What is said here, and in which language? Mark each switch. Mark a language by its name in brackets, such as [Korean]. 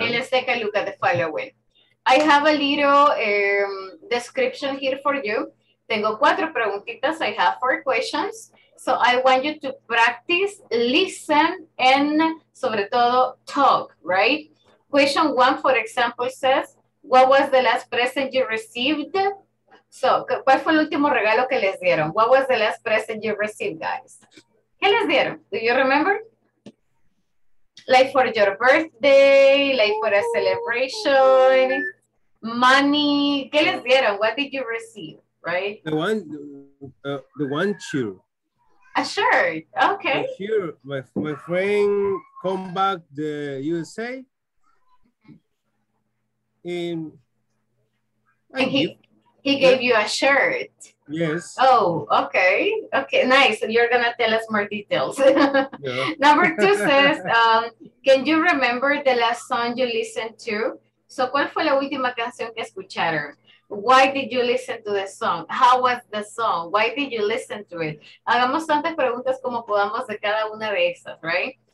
[English] And let's take a look at the following. I have a little description here for you. [Spanish] Tengo cuatro preguntitas. [English] I have four questions. So I want you to practice, listen, and [Spanish] sobre todo [English] talk, right? Question one, for example, says, what was the last present you received? [Spanish] So, ¿cuál fue el último regalo que les dieron? [English] What was the last present you received, guys? [Spanish] ¿Qué les dieron? [English] Do you remember? Like for your birthday, like for a celebration, money. [Spanish] ¿Qué les dieron? [English] What did you receive, right? The one shirt. A shirt, okay. A shirt, my friend come back the USA. He gave you a shirt. Yes. Oh, okay. Okay, nice. And you're gonna tell us more details. Yeah. Number two says, can you remember the last song you listened to? [Spanish] So, ¿cuál fue la última canción que escucharon? [English] Why did you listen to the song? How was the song? Why did you listen to it? [Spanish] Hagamos tantas preguntas como podamos de cada una de esas, right?